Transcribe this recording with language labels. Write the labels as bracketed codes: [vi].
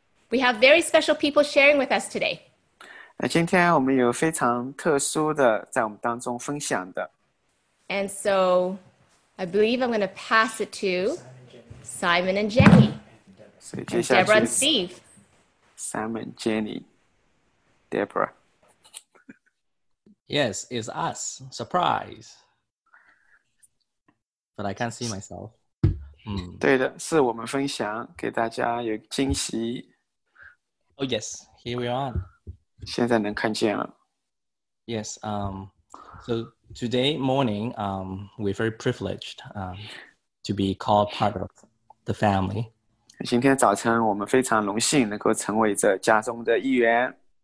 [en] We have very special people sharing with us today. [zh] 那今天我们有非常特殊的在我们当中分享的。 [en] And so I believe I'm going to pass it to Simon and Jenny. And Deborah and Steve. Simon, Jenny, Deborah. Yes, it's us. Surprise. But I can't see myself. [zh] 对的，是我们分享给大家有惊喜。 [en] Oh, yes. Here we are. [zh] 现在能看见了。 [en] Yes. So today morning, we're very privileged to be called part of the family. [zh] 今天早晨我们非常荣幸能够成为这家中的一员。